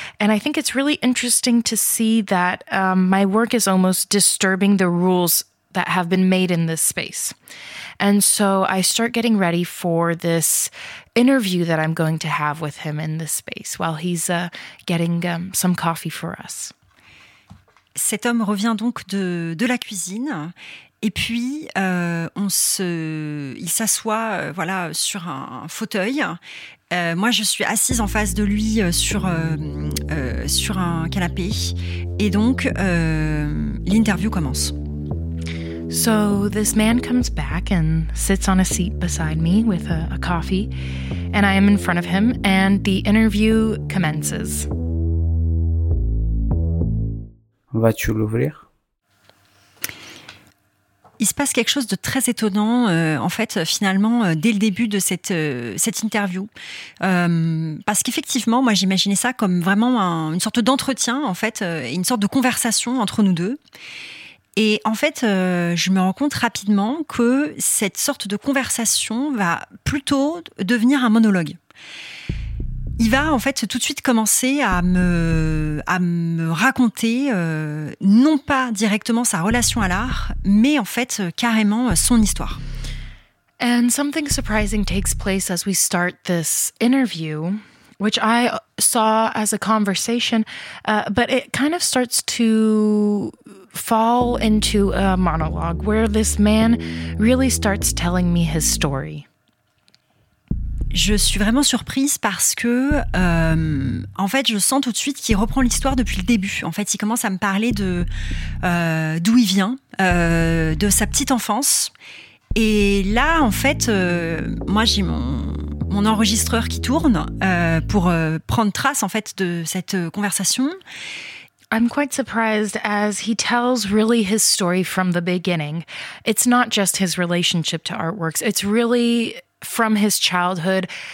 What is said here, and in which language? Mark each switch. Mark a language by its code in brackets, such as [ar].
[en] And I think it's really interesting to see that my work is almost disturbing the rules that have been made in this space. And so I start getting ready for this interview that I'm going to have with him in this space while he's getting some coffee for us. [fr] Cet homme revient donc de la cuisine et puis il s'assoit voilà sur un fauteuil. Moi, je suis assise en face de lui sur un canapé et donc l'interview commence. [en] So this man comes back and sits on a seat beside me with a coffee, and I am in front of him, and the interview commences. [fr] Vas-tu l'ouvrir? Il se passe quelque chose de très étonnant, dès le début de cette interview. Parce qu'effectivement, moi, j'imaginais ça comme vraiment une sorte d'entretien, en fait, une sorte de conversation entre nous deux. Et en fait, je me rends compte rapidement que cette sorte de conversation va plutôt devenir un monologue. Il va en fait tout de suite commencer à me raconter, non pas directement sa relation à l'art, mais en fait carrément son histoire. [en] And something surprising takes place as we start this interview, which I saw as a conversation, but it kind of starts to fall into a monologue where this man really starts telling me his story. [fr] Je suis vraiment surprise parce que, en fait, je sens tout de suite qu'il reprend l'histoire depuis le début. En fait, il commence à me parler de d'où il vient, de sa petite enfance. Et là, en fait, moi, j'ai mon enregistreur qui tourne pour prendre trace, en fait, de cette conversation. [en] I'm quite surprised as he tells really his story from the beginning. It's not just his relationship to artworks. It's really from his childhood.